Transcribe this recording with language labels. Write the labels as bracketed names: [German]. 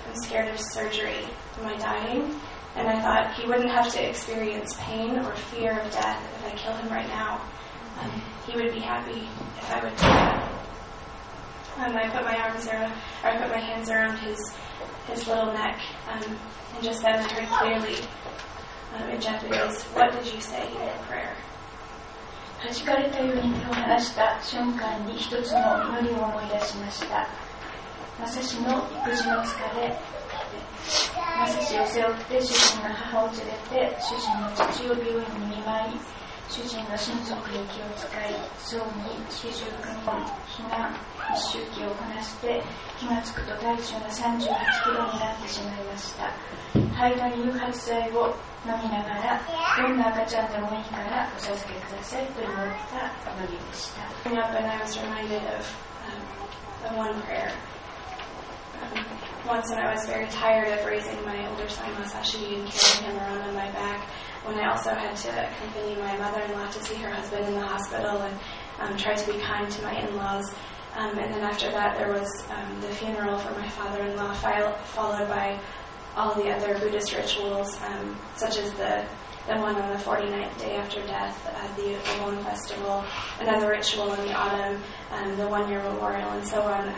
[English] I'm scared of surgery. Am I dying? And I thought he wouldn't have to experience pain or fear of death if I kill him right now. He would be happy if I would do that. I put my hands around his little neck, and just then I heard clearly in Japanese, "What did you say in your prayer?" [Japanese] はじかれたように手を離した瞬間に一つの祈りを思い出しました。マサシの育児の疲れ、マサシを背負って主人の母を連れて主人の父を病院に見舞い、主人の親族に気を使い、葬儀、四十九日、避難、一周忌をこなして、気がつくと体重が38キロになってしまいました。肺がん誘発剤を飲みながら、どんな赤ちゃんでもいいからお授けくださいと言われたおのりでした。 [English] I was reminded of the one prayer. Once when I was very tired of raising my older son Masashi and carrying him around on my back, when I also had to accompany my mother-in-law to see her husband in the hospital and try to be kind to my in-laws. And then after that there was the funeral for my father-in-law, followed by all the other Buddhist rituals, such as the one on the 49th day after death, the Won festival, another ritual in the autumn, the one-year memorial, and so on.